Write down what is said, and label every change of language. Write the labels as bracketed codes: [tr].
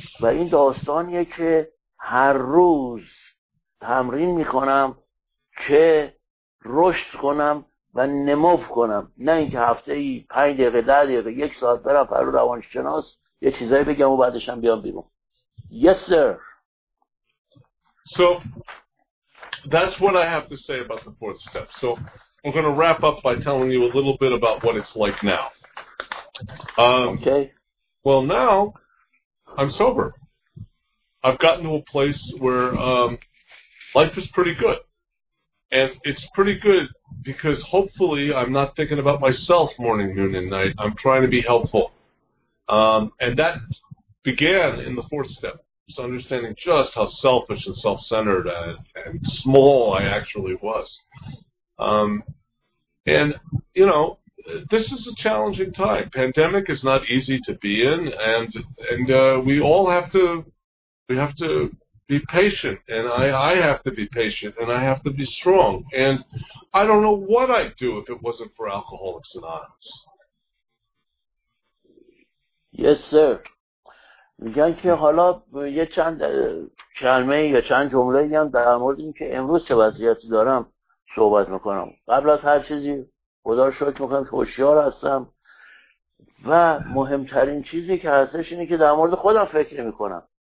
[fa] و این داستانیه که هر روز تمرین میکنم که رشد کنم و نمو کنم، نه اینکه هفته ای 5 دقیقه 10 دقیقه 1 ساعت برم پرو روانشناس یه چیزایی بگم و بعدش هم بیام بیرون. [en] Yes sir. So that's what I have to say about the fourth step. So I'm going to wrap up by telling you a little bit about what it's like now. Okay. Well, now I'm sober. I've gotten to a place where life is pretty good. And it's pretty good because hopefully I'm not thinking about myself morning, noon, and night. I'm trying to be helpful. And that began in the fourth step. It's understanding just how selfish and self-centered and small I actually was. And, you know, this is a challenging time. Pandemic is not easy to be in, and we all have to be patient, and I have to be patient, and I have to be strong. And I don't know what I'd do if it wasn't for Alcoholics Anonymous. Yes, sir. [fa] میگن که حالا یه چند کلمه یا چند جمله هم در مورد این که امروز چه وضعیتی دارم صحبت میکنم. قبل از هر چیزی خدا رو شکر میکنم که هوشیار هستم و مهمترین چیزی که هستش اینه که در مورد خودم فکر میکنم.